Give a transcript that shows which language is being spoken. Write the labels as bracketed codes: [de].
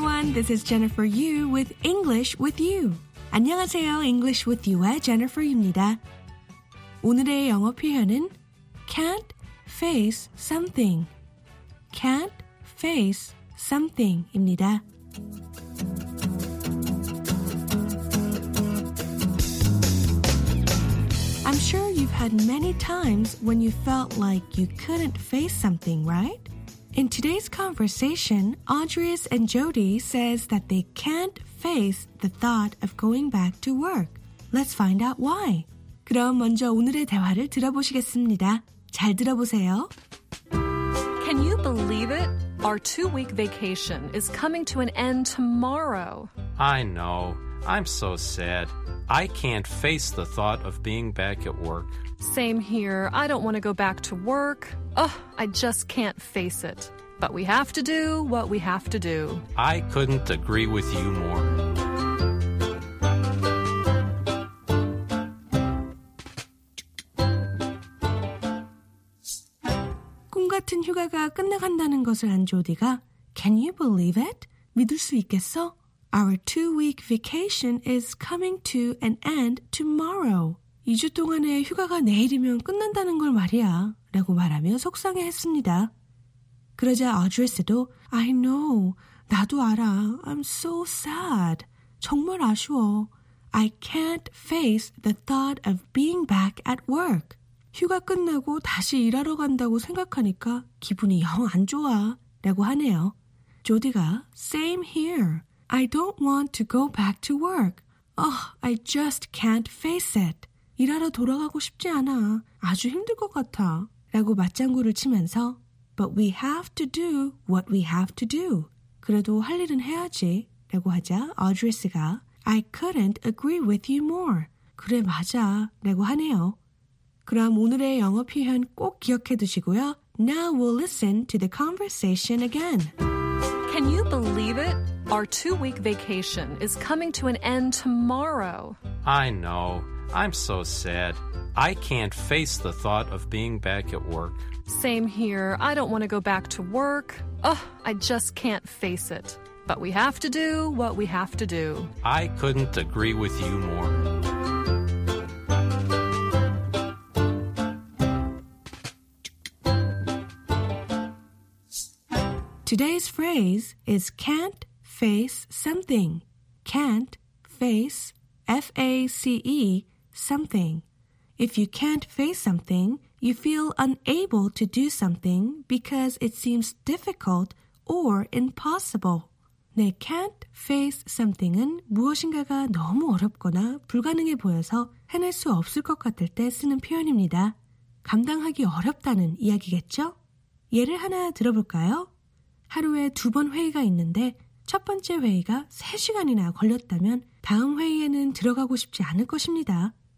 [en] This is Jennifer Yu with English with You. [ko] 안녕하세요. English with You와 Jennifer 입니다. 오늘의 영어 표현은 can't face something. Can't face something 입니다. 많은 [en] when you felt like you couldn't face something, right? In today's conversation, Andreas and Jody says that they can't face the thought of going back to work. Let's find out why. [ko] 그럼 먼저 오늘의 대화를 들어보시겠습니다. 잘 들어보세요. [en] Can you believe it? Our two-week vacation is coming to an end tomorrow. I know. I'm so sad. I can't face the thought of being back at work. Same here. I don't want to go back to work. Ugh, I just can't face it. But we have to do what we have to do. I couldn't agree with you more. [ko] 꿈 같은 휴가가 끝나간다는 것을 안 조디가 [en] Can you believe it? [ko] 믿을 수 있겠어? [en] Our two-week vacation is coming to an end tomorrow. [ko] 2주 동안의 휴가가 내일이면 끝난다는 걸 말이야. 라고 말하며 속상해했습니다. 그러자 어드레스도 [en] I know. [ko] 나도 알아. [en] I'm so sad. [ko] 정말 아쉬워. [en] I can't face the thought of being back at work. [ko] 휴가 끝나고 다시 일하러 간다고 생각하니까 기분이 영 안 좋아. 라고 하네요. [en] 조디가 Same here. I don't want to go back to work. Oh, I just can't face it. [ko] 일하러 돌아가고 싶지 않아. 아주 힘들 것 같아. 라고 맞장구를 치면서 [en] But we have to do what we have to do. [ko] 그래도 할 일은 해야지. 라고 하자 어드리스가 I couldn't agree with you more. 그래 맞아. 라고 하네요. 그럼 오늘의 영어 표현 꼭 기억해 두시고요. [en] Now we'll listen to the conversation again. Can you believe it? Our two-week vacation is coming to an end tomorrow. I know. I'm so sad. I can't face the thought of being back at work. Same here. I don't want to go back to work. Ugh, I just can't face it. But we have to do what we have to do. I couldn't agree with you more. 'Today's phrase is can't face something. Can't face, F-A-C-E, something. If you can't face something, you feel unable to do something because it seems difficult or impossible. [ko] 네, can't face something은 무엇인가가 너무 어렵거나 불가능해 보여서 해낼 수 없을 것 같을 때 쓰는 표현입니다. 감당하기 어렵다는 이야기겠죠? 예를 하나 들어볼까요? 하루에 두 번 회의가 있는데 첫 번째 회의가 3시간이나 걸렸다면 다음 회의에는 들어가고 싶지 않을 것입니다.